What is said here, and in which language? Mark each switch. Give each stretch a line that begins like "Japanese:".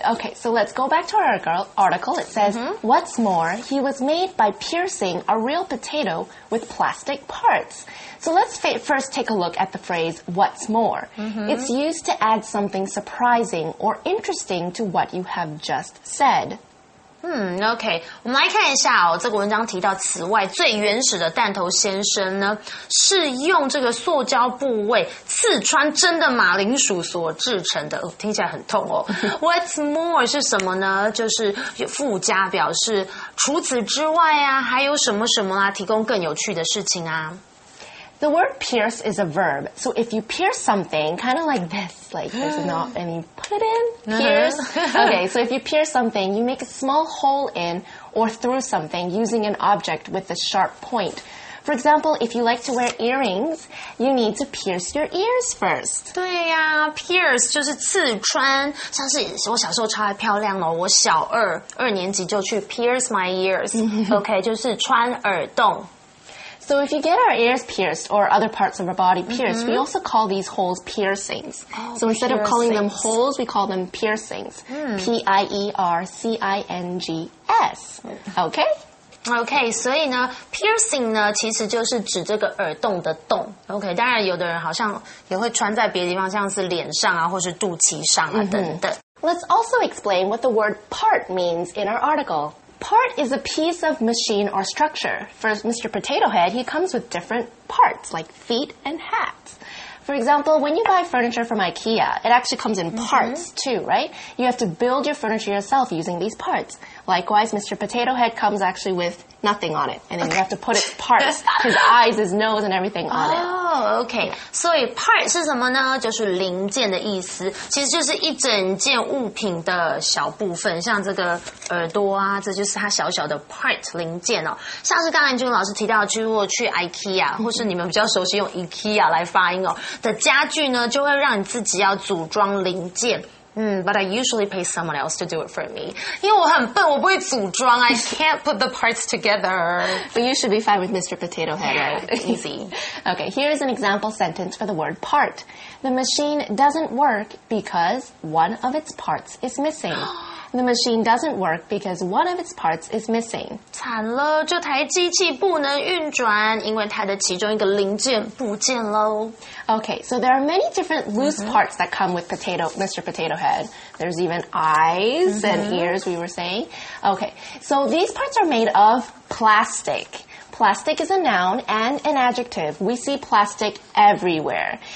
English: Okay, so let's go back to our article. It says, what's more, he was made by piercing a real potato with plastic parts. So let's first take a look at the phrase, what's more. It's used to add something surprising or interesting to what you have just said.
Chinese: OK， 我们来看一下哦，这个文章提到，此外最原始的弹头先生呢，是用这个塑胶部位刺穿真的马铃薯所制成的，听起来很痛哦。 What's more 是什么呢？就是附加表示除此之外啊，还有什么什么啊，提供更有趣的事情啊。
English: The word pierce is a verb, so if you pierce something, kind of like this, like there's not any put in, pierce. Okay, so if you pierce something, you make a small hole in or through something using an object with a sharp point. For example, if you like to wear earrings, you need to pierce your ears first.
Chinese: 对呀、啊、pierce 就是刺穿，像是我小时候超爱漂亮哦，我小二年级就去
English: pierce my ears.
Chinese: Okay, 就是穿耳洞。
English: So if you get our ears pierced or other parts of our body pierced, we also call these holes piercings. Oh, so instead piercings. of calling them holes, we call them piercings. P-I-E-R-C-I-N-G-S. Okay?
Chinese: Okay, 所以呢 piercing 呢其实就是指这个耳洞的洞。 Okay, 当然有的人好像也会穿在别的地方，像是脸上啊或是肚脐上啊等等。
English: Let's also explain what the word part means in our article. Part is a piece of machine or structure. For Mr. Potato Head, he comes with different parts, like feet and hats. For example, when you buy furniture from IKEA, it actually comes in parts too, right? You have to build your furniture yourself using these parts. Likewise, Mr. Potato Head comes actually with nothing on it. And then you have to put its parts, his eyes, his nose, and everything on it.
Chinese: Okay, 所以 part 是什么呢？就是零件的意思，其实就是一整件物品的小部分，像这个耳朵啊，这就是它小小的 part 零件哦。像是刚才君老师提到，如果去 IKEA 或是你们比较熟悉用 IKEA 来发音哦的家具呢，就会让你自己要组装零件。
English: But I usually pay someone else to do it for me.
Chinese: 因为我很笨，我不会组装。
English: I can't put the parts together. But you should be fine with Mr. Potato Head, yeah, right? Easy. Okay, here's an example sentence for the word part. The machine doesn't work because one of its parts is missing. The machine doesn't work because one of its parts is missing.
Chinese: 惨了，这台机器不能运转，因为它的其中一个零件不见喽。
English: Okay, so there are many different loose parts that come with Mr. Potato Head. There's even eyes and ears, we were saying. Okay, so these parts are made of plastic. Plastic is a noun and an adjective. We see plastic everywhere.